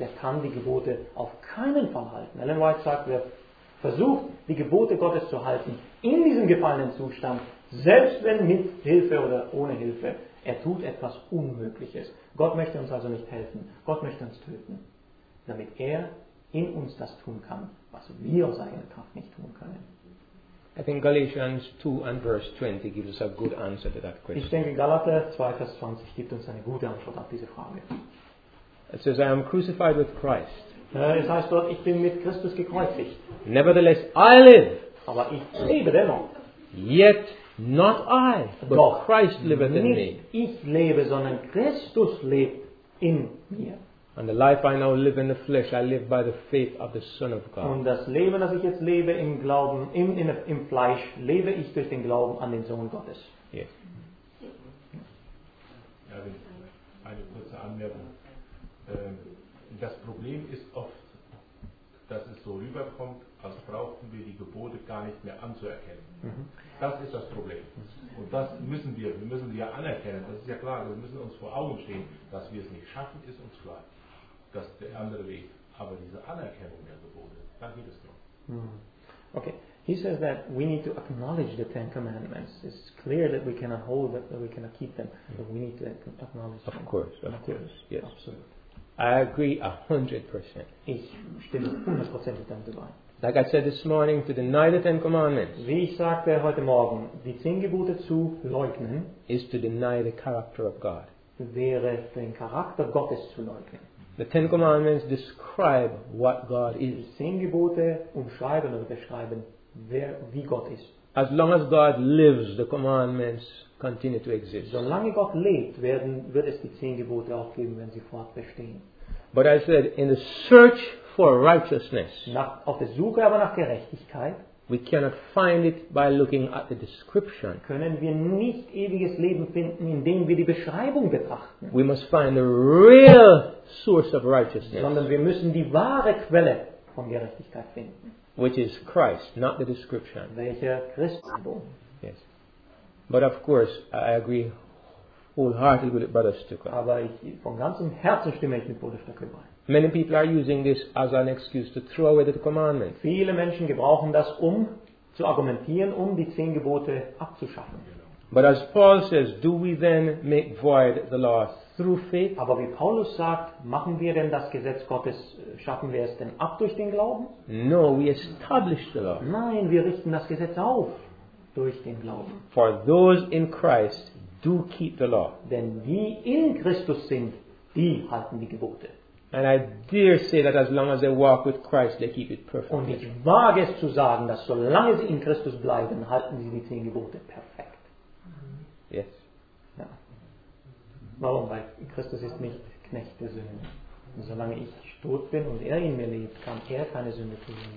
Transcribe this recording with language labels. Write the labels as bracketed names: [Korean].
[German] Der kann die Gebote auf keinen Fall halten. Ellen White sagt, wer versucht, die Gebote Gottes zu halten, in diesem gefallenen Zustand, selbst wenn mit Hilfe oder ohne Hilfe, er tut etwas Unmögliches. Gott möchte uns also nicht helfen. Gott möchte uns töten, damit er in uns das tun kann, was wir aus eigener Kraft nicht tun können. [English] I think Galatians 2 and verse 20 gives us a good answer to that question. [German] Ich denke, Galater 2, Vers 20 gibt uns eine gute Antwort auf diese Frage. [English] It says, I am crucified with Christ. [German] Es heißt dort, ich bin mit Christus gekreuzigt. [English] Nevertheless, I live. [German] Aber ich lebe dennoch. [English] Yet not I, but [German] doch, [English] Christ liveth in me. [German] Nicht ich lebe, sondern Christus lebt in mir. [English] And the life I now live in the flesh, I live by the faith of the Son of God. [German] Und das Leben, das ich jetzt lebe im Glauben, im Fleisch, lebe ich durch den Glauben an den Sohn Gottes. [English] Yes. [German] Ja, eine kurze Anmerkung. Das Problem ist oft, dass es so rüberkommt, als brauchten wir die Gebote gar nicht mehr anzuerkennen. Das ist das Problem. Und das müssen wir. Wir müssen sie ja anerkennen. Das ist ja klar. Wir müssen uns vor Augen stehen, dass wir es nicht schaffen, ist uns klar. Das ist der andere Weg. Aber diese Anerkennung der Gebote, da geht es drum. [English] Okay. He says that we need to acknowledge the Ten Commandments. It's clear that we cannot hold them, that we cannot keep them. But we need to acknowledge them. Of course. Of course. Yes. Absolutely. I agree 100%. [German] Ich stimme 100% mit damit überein. [English] Like I said this morning, to deny the Ten Commandments. [German] Wie ich sagte heute Morgen, die 10 Gebote zu leugnen, [English] is to deny the character of God. [German] Wäre den Charakter Gottes zu leugnen. [English] The Ten Commandments describe what God is. [German] Die 10 Gebote umschreiben oder beschreiben, wie Gott ist. [English] As long as God lives, the commandments continue to exist. [German] Solange Gott lebt, wird es die 10 Gebote auch geben, wenn sie fortbestehen. [English] But I said, in the search for righteousness, [German] auf der Suche aber nach Gerechtigkeit, [English] we cannot find it by looking at the description. [German] Können wir nicht ewiges Leben finden, indem wir die Beschreibung betrachten. [English] We must find the real source of righteousness. [German] Sondern wir müssen die wahre Quelle von Gerechtigkeit finden. [English] Which is Christ, not the description. [German] Welcher Christenbogen. [English] Yes. But of course, I agree wholeheartedly with Brother Stucker. [German] Aber ich, von ganzem Herzen stimme ich mit Bruder Stucker überein. [English] Many people are using this as an excuse to throw away the commandment. [German] Viele Menschen gebrauchen das, um zu argumentieren, um die 10 Gebote abzuschaffen. [English] But as Paul says, do we then make void the law through faith? [German] Aber wie Paulus sagt, machen wir denn das Gesetz Gottes, schaffen wir es denn ab durch den Glauben? [English] No, we establish the law. [German] Nein, wir richten das Gesetz auf durch den Glauben. [English] For those in Christ do keep the law. [German] Denn die in Christus sind, die halten die Gebote. [English] And I dare say that as long as they walk with Christ, they keep it perfectly. [German] Und ich wage es zu sagen, dass solange sie in Christus bleiben, halten sie die 10 Gebote perfekt. [English] Yes. [German] Ja. Warum? Weil Christus ist nicht Knecht der Sünde. Und solange ich tot bin und er in mir lebt, kann er keine Sünde tun.